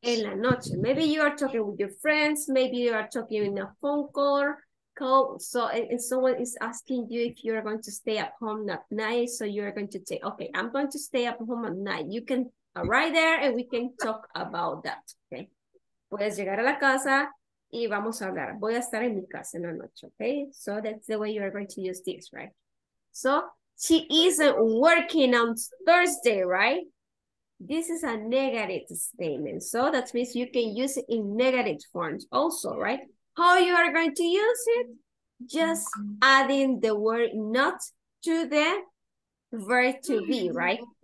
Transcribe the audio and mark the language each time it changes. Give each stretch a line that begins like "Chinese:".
Spanish: En la noche.
English: Maybe you are talking with your friends. Maybe you are talking in a phone call. So, and someone is asking you if you're going to stay at home at night. So you're going to say, okay, I'm going to stay at home at night. You can arrive there and we can talk about that. Okay.
Spanish: Puedes llegar a la casa y vamos a hablar. Voy a estar en mi casa en la noche.
English: Okay. So that's the way you are going to use this, right? So she isn't working on Thursday, right? This is a negative statement. So that means you can use it in negative forms also, right? How you are going to use it? Just adding the word not to the verb to be, right?